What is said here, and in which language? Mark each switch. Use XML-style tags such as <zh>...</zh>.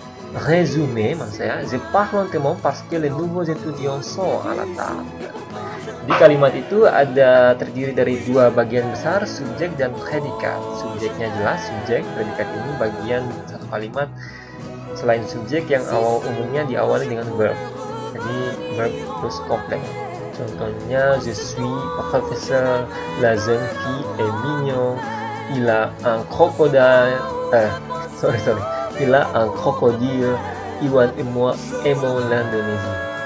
<fr>Résumé,</fr> <id>maksud saya,</id> <fr>je parle lentement parce que les nouveaux étudiants sont à la table.</fr> <id>Di kalimat itu ada terdiri dari dua bagian besar, subjek dan predikat. Subjeknya jelas, subjek, predikat ini bagian satu kalimat selain subjek yang awal umumnya diawali dengan verb. Jadi verb plus complet.</id> <fr>Contohnya, je suis professeur, la jeune fille est mignon, il a un crocodile. Sorry. Il a un crocodile, Iwan et moi aimons l'Indonésie.</fr>